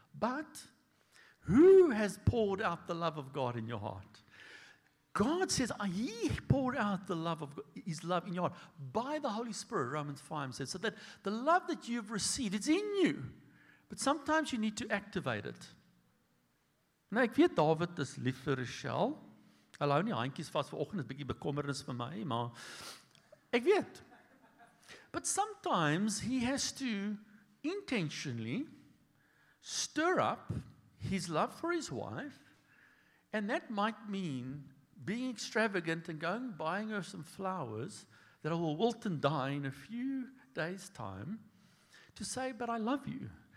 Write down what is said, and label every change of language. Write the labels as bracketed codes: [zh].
[en] But who has poured out the love of God in your heart? God says, He poured out the love of God, His love in your heart by the Holy Spirit, Romans 5 says, so that the love that you've received, it's in you. But sometimes you need to activate it. [af] Nou, ek weet David is lief vir Rochelle. Hulle hou nie handjies vas vir oggend, is 'n bietjie bekommernis vir my, maar ek weet. [en] But sometimes he has to intentionally stir up his love for his wife, and that might mean being extravagant and going buying her some flowers that will wilt and die in a few days' time to say, but I love you.